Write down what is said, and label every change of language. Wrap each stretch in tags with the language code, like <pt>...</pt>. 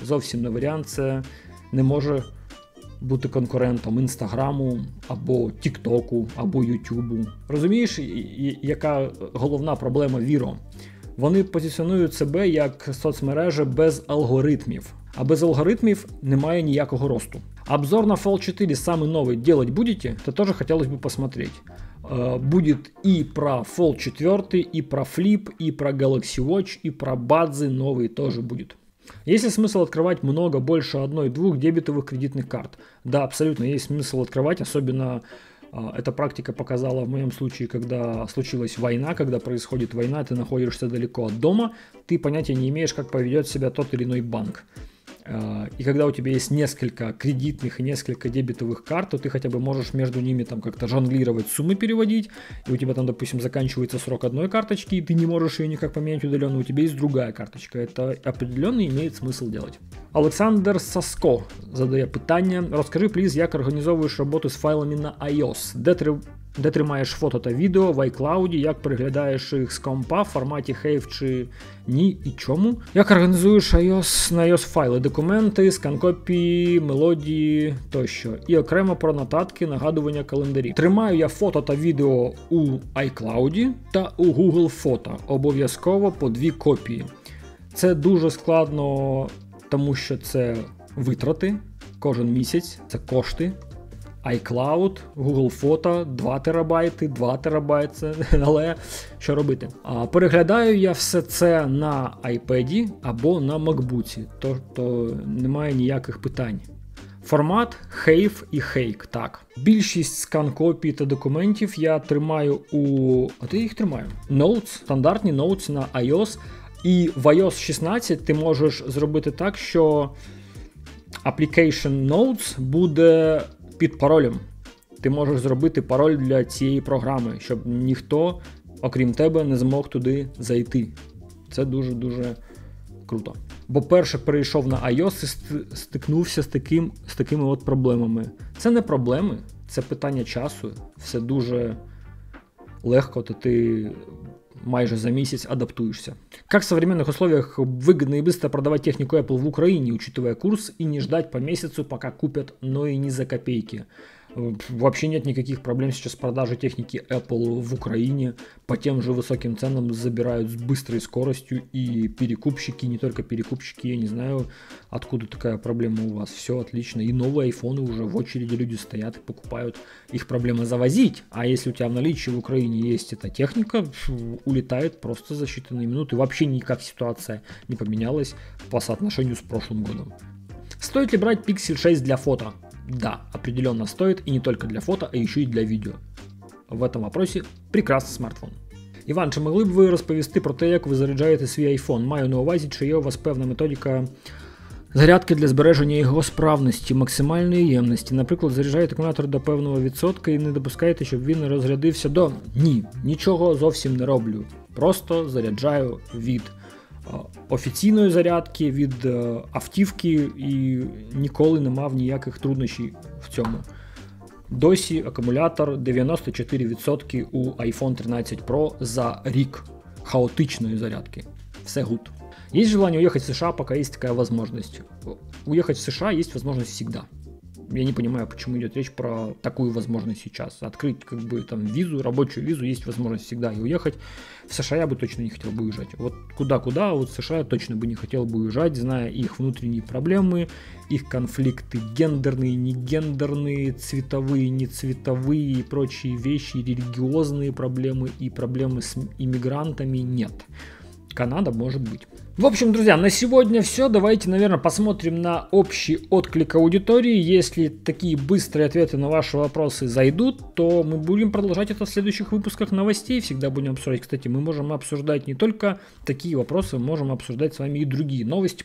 <uk>Зовсім не варіант, це не може бути конкурентом Інстаграму, або Тіктоку, або Ютубу. Розумієш, яка головна проблема Віро? Вони позиціонують себе як соцмережа без алгоритмів. А без алгоритмів немає ніякого росту.</uk> <ru>Обзор на Fold 4, самий новий, делать будете?</ru> <uk>Це теж хотілося б</uk> <ru>посмотреть.</ru> <uk>Буде і про Fold 4, і про Flip, і про Galaxy Watch, і про Badzi новий теж буде. Є сенс відкривати много більше 1-2 дебетових кредитних карт? Да, абсолютно, є сенс відкривати, особливо...</uk> <ru>Эта практика показала в моем случае, когда случилась война, когда происходит война, ты находишься далеко от дома, ты понятия не имеешь, как поведет себя тот или иной банк. И когда у тебя есть несколько кредитных и несколько дебетовых карт, то ты хотя бы можешь между ними там как-то жонглировать, суммы переводить, и у тебя там, допустим, заканчивается срок одной карточки, и ты не можешь ее никак поменять удаленно, у тебя есть другая карточка. Это определенно имеет смысл делать.</ru> <uk>Александр Саско задає питання. Розкажи, пліз, як організовуєш роботу з файлами на iOS? Де тримаєш фото та відео в iCloud? Як переглядаєш їх з компа в форматі Hive чи ні і чому? Як організуєш iOS на iOS файли? Документи, скан-копії, мелодії тощо. І окремо про нотатки, нагадування календарів. Тримаю я фото та відео у iCloud та у Google Фото. Обов'язково по дві копії. Це дуже складно, тому що це витрати кожен місяць, це кошти. iCloud, Google Фото, 2 терабайти, 2 терабайти, але що робити? Переглядаю я все це на iPad або на MacBook, тобто немає ніяких питань. Формат Hive і Hake, так. Більшість скан-копій та документів я тримаю у... А де я їх тримаю? Notes, стандартні Notes на iOS. І в iOS 16 ти можеш зробити так, що Application Notes буде під паролем. Ти можеш зробити пароль для цієї програми, щоб ніхто, окрім тебе, не змог туди зайти. Це дуже-дуже круто. Бо перше перейшов на iOS і стикнувся з такими от проблемами. Це не проблеми, це питання часу. Все дуже легко, то ти... майже за місяць адаптуєшся. Як в сучасних умовах вигідно і швидко продавати техніку Apple в Україні,</uk> <ru>учитывая курс,</ru> <uk>і не чекати по місяцю, поки куплять, ну і не за копійки? Взагалі немає ніяких проблем зараз продажі техніки Apple в Україні. По тим же високим цінам забирають з швидкою скоростю, і перекупщики, не тільки перекупщики, я не знаю,</uk> <ru>откуда</ru> <uk>така проблема у вас.</uk> <ru>Все отлично.</ru> <uk>І нові айфони вже в очереді люди стоять і покупають. Їх проблема завозити. А якщо у тебе в наличии в Україні є ця техніка, улітає просто за считані минути. Взагалі ніяк ситуація не помінялась по відношенню з прошлым годом. Стоїть ли брати Pixel 6 для фото?</uk> <ru>Да, определенно стоит, и не только для фото, а еще и для видео. В этом вопросе прекрасный смартфон.</ru> <uk>Іван, чи могли б ви розповісти про те, як ви заряджаєте свій iPhone? Маю на увазі, чи є у вас певна методика Зарядки для збереження його справності, максимальної ємності. Наприклад, заряджаєте акумулятор до певного відсотка і не допускаєте, щоб він розрядився до... Ні, нічого зовсім не роблю. Просто заряджаю від офіційної зарядки, від автівки і ніколи не мав ніяких труднощів в цьому. Досі акумулятор 94% у iPhone 13 Pro за рік хаотичної зарядки. Все гуд. Є бажання уїхати в США, поки є така можливість. Уїхати в США є можливість завжди. Я не розумію, чому йде річ про таку можливість зараз. Відкрити</uk> <ru>как бы,</ru> <uk>там, візу, робочу візу, є можливість завжди. І уїхати в США я б точно не хотів би уїжджати. От куди-куди, а от в США я точно б не хотів би уїжджати, зная їх внутрішні проблеми, їх конфлікти гендерні, негендерні, цвітові, нецвітові і прочі речі, релігіозні проблеми і проблеми з іммігрантами – ні.</uk> <ru>Канада может быть. В общем, друзья, на сегодня все. Давайте, наверное, посмотрим на общий отклик аудитории. Если такие быстрые ответы на ваши вопросы зайдут, то мы будем продолжать это в следующих выпусках новостей. Всегда будем обсуждать. Кстати, мы можем обсуждать не только такие вопросы, мы можем обсуждать с вами и другие новости.</ru>